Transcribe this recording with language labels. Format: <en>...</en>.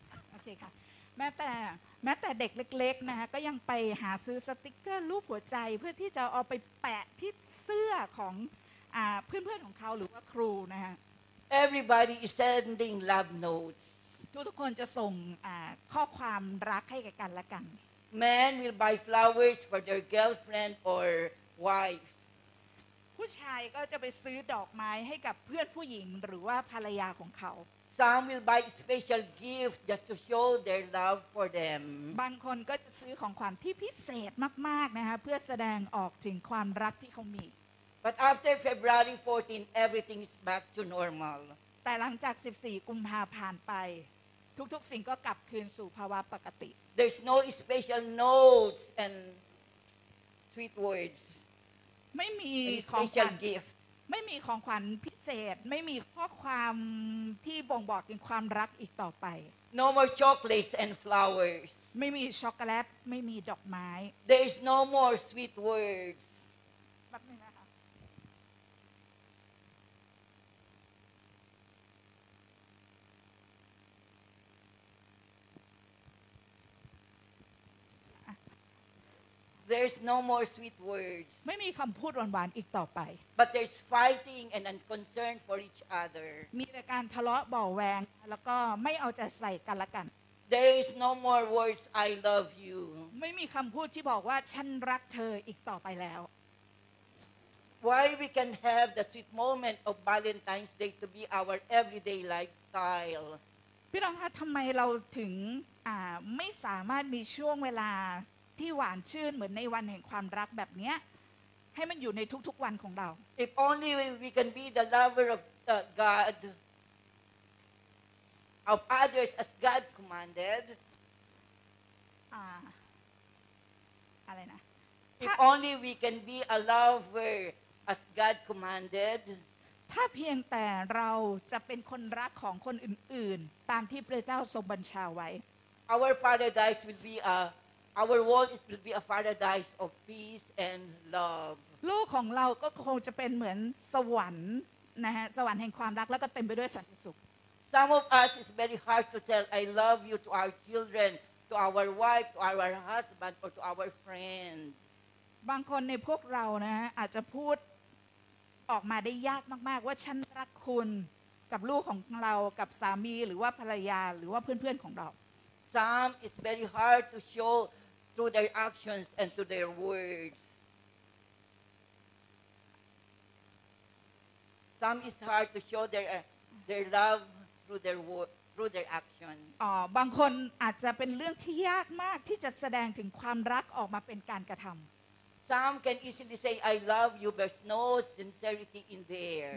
<th>โอเคค่ะแม้แต่เด็กเล็กๆนะฮะก็ยังไปหาซื้อสติกเกอร์รูปหัวใจเพื่อที่จะเอาไปแปะที่เสื้อของเพื่อนๆของเขาหรือว่าครูนะฮะ</th> <en>Everybody is sending love notes</en> <th>ทุกคนจะส่งข้อความรักให้แก่กันและกัน</th> <en>Men will buy flowers for their girlfriend or wife</en> <th>ผู้ชายก็จะไปซื้อดอกไม้ให้กับเพื่อนผู้หญิงหรือว่าภรรยาของเขา</th> <en>Some will buy special gift just to show their love for them.</en> <th>บางคนก็จะซื้อของขวัญที่พิเศษมากๆนะคะเพื่อแสดงออกถึงความรักที่เขามี</th> <en>But after February 14, everything is back to normal.</en> <th>แต่หลังจาก14กุมภาพันธ์ผ่านไปทุกๆสิ่งก็กลับคืนสู่ภาวะปกติ</th> <en>There's no special notes and sweet words.</en> <th>ไม่มีของขวัญไม่มีของขวัญพิเศษไม่มีข้อความที่บ่งบอกถึงความรักอีกต่อไป</th> <en>No more chocolates and flowers</en> <th>ไม่มีช็อกโกแลตไม่มีดอกไม้</th> <en>There is no more sweet words</en> <th>แบบนี้นะคะ</th> <en>There's no more sweet words.</en> <th>ไม่มีคำพูดหวานๆอีกต่อไป</th> <en>But there's fighting and unconcern for each other.</en> <th>มีแต่การทะเลาะเบาะแว้งแล้วก็ไม่เอาใจใส่กันละกัน</th> <en>There's no more words I love you.</en> <th>ไม่มีคำพูดที่บอกว่าฉันรักเธออีกต่อไปแล้ว</th> <en>Why we can have the sweet moment of Valentine's Day to be our everyday lifestyle?</en> <th>พี่น้องคะทำไมเราถึงไม่สามารถมีช่วงเวลาที่หวานชื่นเหมือนในวันแห่งความรักแบบนี้ให้มันอยู่ในทุกๆวันของเรา</th> <en>If only we can be the lover of God of others as God commanded</en> <th>อะไรนะ</th> <en>If only we can be a lover as God commanded</en> <th>ถ้าเพียงแต่เราจะเป็นคนรักของคนอื่นๆตามที่พระเจ้าทรงบัญชาไว้</th> <en>Our paradise will be aOur world will be a paradise of peace and love.</en> <th>โลกของเราก็คงจะเป็นเหมือนสวรรค์นะฮะสวรรค์แห่งความรักแล้วก็เต็มไปด้วยสันติสุข</th> <en>Some of us is very hard to tell I love you to our children, to our wife, to our husband, or to our friend.</en> <th>บางคนในพวกเรานะอาจจะพูดออกมาได้ยากมากๆว่าฉันรักคุณกับลูกของเรากับสามีหรือว่าภรรยาหรือว่าเพื่อนๆของเรา</th> <en>Some is very hard to show through their actions and through their words. Some is hard to show their love through their word, through their action.</en> <th>บางคนอาจจะเป็นเรื่องที่ยากมากที่จะแสดงถึงความรักออกมาเป็นการกระทำ</th> <en>Some can easily say I love you, but no sincerity in there.</en>